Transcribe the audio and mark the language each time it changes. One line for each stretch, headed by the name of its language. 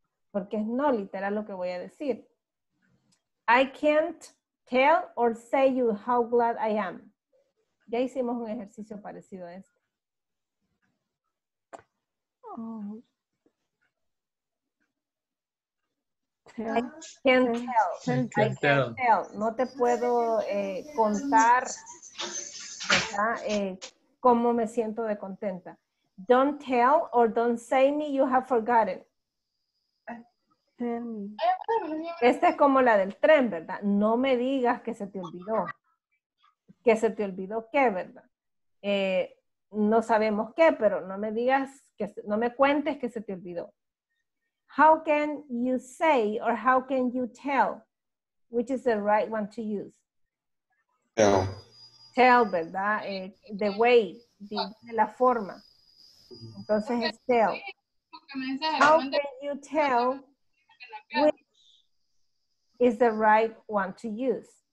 Spanish: Porque es no literal lo que voy a decir.
English: I can't tell or say you how glad I am.
Spanish: Ya hicimos un ejercicio parecido a este.
English: I can't tell.
Spanish: No te puedo contar, ¿verdad? Cómo me siento de contenta.
English: Don't tell or don't say me you have forgotten.
Spanish: Esta es como la del tren, ¿verdad? No me digas que se te olvidó. Que se te olvidó qué, ¿verdad? No sabemos qué, pero no me digas, que no me cuentes que se te olvidó.
English: How can you say or how can you tell? Which is the right one to use? Tell.
Spanish: Tell, ¿verdad?
English: The way,
Spanish: de la forma. Entonces es tell.
English: How can you tell? Which is the right one to use?